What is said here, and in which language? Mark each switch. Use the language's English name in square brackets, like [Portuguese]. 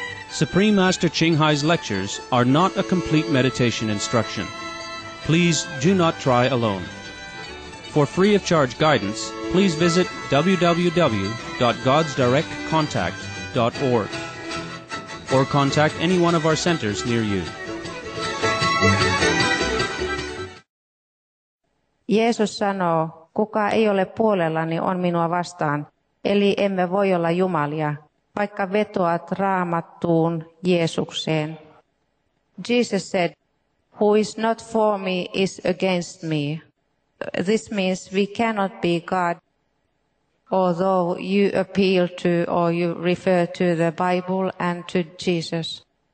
[English] Supreme Master Qinghai's lectures are not a complete meditation instruction. Please do not try alone. For free of charge guidance, please visit www.godsdirectcontact.org or contact any one of our centers near you. [Finnish] Jeesus sanoo, kuka ei ole puolellani on minua vastaan, eli emme voi olla jumalia, vaikka vetoat Raamattuun Jeesukseen. [English] Jesus said, who is not for me is against me. This means we cannot be God. Although you appeal to or you refer to the Bible and to Jesus.